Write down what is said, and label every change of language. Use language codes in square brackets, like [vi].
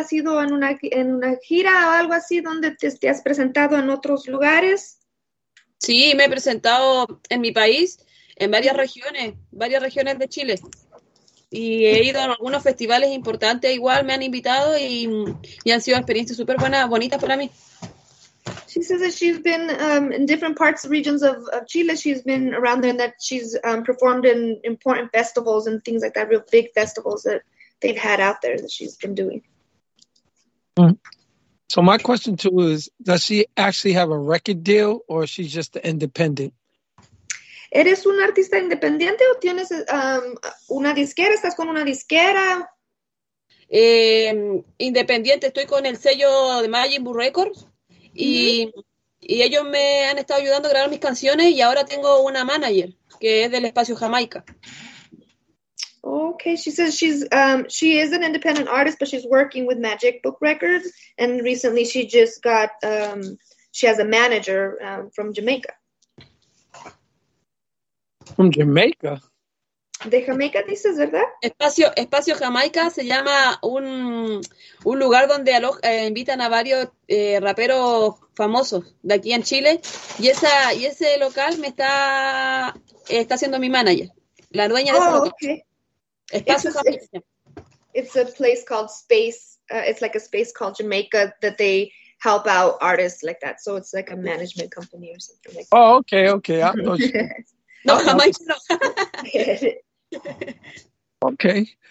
[es] ¿Has ido en una gira o algo así donde te has presentado en otros lugares? Sí, me he presentado en mi país, en varias regiones de Chile. Y he ido a algunos festivales importantes, igual me han invitado y han sido experiencias súper buenas, bonitas para mí. [en] She says that she's been in different parts, regions of Chile. She's been around there, and that she's performed in important festivals and things like that, real big festivals that they've had out there that she's been doing. So my question too is, does she actually have a record deal, or is she just independent? [es] ¿Eres un artista independiente o tienes una disquera? ¿Estás con una disquera? Independiente. Estoy con el sello de Majin Buu Records. Y ellos me han estado ayudando a grabar mis canciones y ahora tengo una manager que es del espacio Jamaica. [en] Okay, she says she's she is an independent artist, but she's working with Magic Book Records, and recently she just got she has a manager from Jamaica. From Jamaica. [es] De Jamaica dices, ¿verdad? Espacio Jamaica se llama un lugar donde invitan a varios raperos famosos de aquí en Chile, y ese local me está haciendo mi manager, la dueña de ese local. [en] Okay. Espacio Jamaica. It's a place called Space, it's like a space called Jamaica that they help out artists like that, so it's like a management company or something like that. Oh, okay, I thought [es] No, Jamaica no. [en] Okay.